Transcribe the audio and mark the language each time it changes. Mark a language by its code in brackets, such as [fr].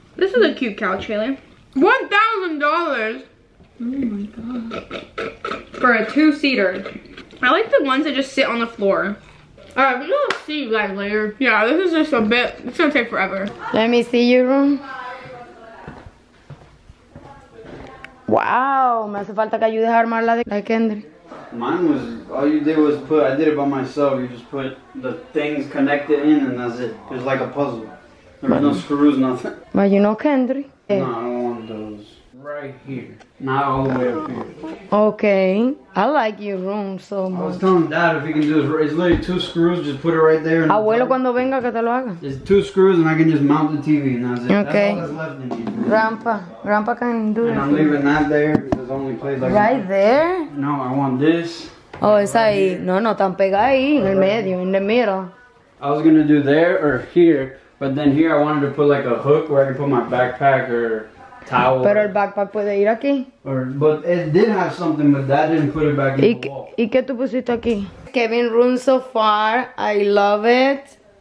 [en] This is a cute couch, Keilly. $1,000? Oh my god. For a two-seater. I like the ones that just sit on the floor. All right, we'll see you guys later. Yeah, this is just a bit, it's gonna take forever. Let me see your room. [es] Wow, me hace falta que ayudes a armar la de Kendry. [en] Mine was, all you did was put, I did it by myself. You just put the things connected in and that's it. It was like a puzzle. There was no screws, nothing. But you know Kendry. No, I don't want those. Right here, not all the way up here. Okay, I like your room so much. I was telling Dad if he can do this, it's literally two screws, just put it right there. And [es] abuelo, cuando venga, que te lo haga. [en] It's two screws and I can just mount the TV and that's it. Okay. That's all that's left in here. Grandpa, Grandpa can do it. And I'm leaving that there because there's only place like right can. There? No, I want this. Oh, it's right ahí. [es] Here. No, no, tan pegado ahí, en el medio, en el middle. [en] I was gonna do there or here, but then here I wanted to put like a hook where I can put my backpack or towel. [es] Pero el backpack puede ir aquí. [en] Or, but it did have something, but Dad didn't put it back in the wall. [es] ¿Y qué tú pusiste aquí? [en] Kevin room so far, I love it.